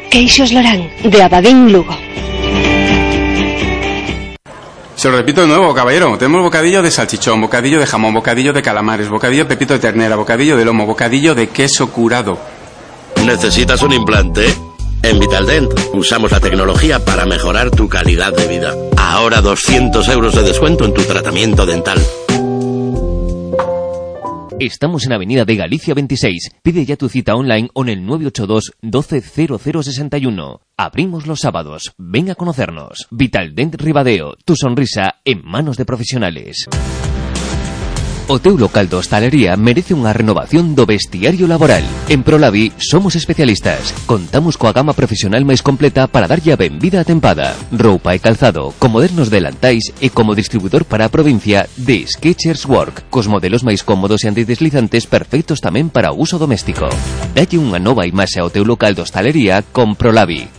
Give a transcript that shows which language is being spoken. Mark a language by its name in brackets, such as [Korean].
[Galician] Queixos Lorán, de Abadín, Lugo. [Spanish] Se lo repito de nuevo, caballero. Tenemos bocadillo de salchichón, bocadillo de jamón, bocadillo de calamares, bocadillo de pepito de ternera, bocadillo de lomo, bocadillo de queso curado. ¿Necesitas un implante? En Vitaldent usamos la tecnología para mejorar tu calidad de vida. Ahora 200 euros de descuento en tu tratamiento dental. Estamos en Avenida de Galicia 26. Pide ya tu cita online en el 982-120061. Abrimos los sábados. Ven a conocernos. Vitaldent Ribadeo. Tu sonrisa en manos de profesionales. [Galician] O teu local de hostalería merece unha renovación do vestiario laboral. En Prolabi somos especialistas. Contamos coa gama profesional máis completa para darlle a benvida atempada. Roupa e calzado, con modernos delantais e como distribuidor para a provincia de Skechers Work, cos modelos máis cómodos e antideslizantes perfectos tamén para o uso doméstico. Dalle unha nova imaxe ao teu local de hostalería con Prolabi.